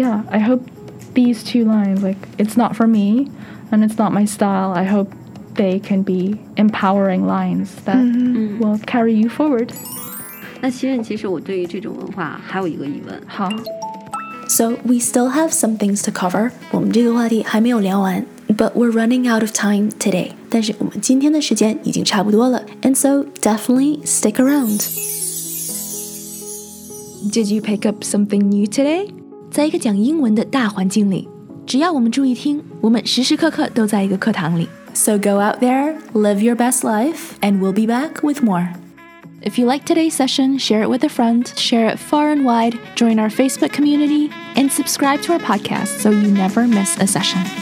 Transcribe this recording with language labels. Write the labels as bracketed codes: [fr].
[en] I hope these two lines, like, it's not for me and it's not my style, I hope they can be empowering lines that will carry you forward. [zh] 那其实其实我对于这种文化还有一个疑问。好。 [en] So we still have some things to cover. [zh] 我们这个话题还没有聊完。 [en] But we're running out of time today. [zh] 但是我们今天的时间已经差不多了。 [en] And so definitely stick around. Did you pick up something new today? [zh] 在一个讲英文的大环境里，只要我们注意听，我们时时刻刻都在一个课堂里。 [en] So go out there, live your best life, and we'll be back with more. If you like today's session, share it with a friend, share it far and wide, join our Facebook community, and subscribe to our podcast so you never miss a session.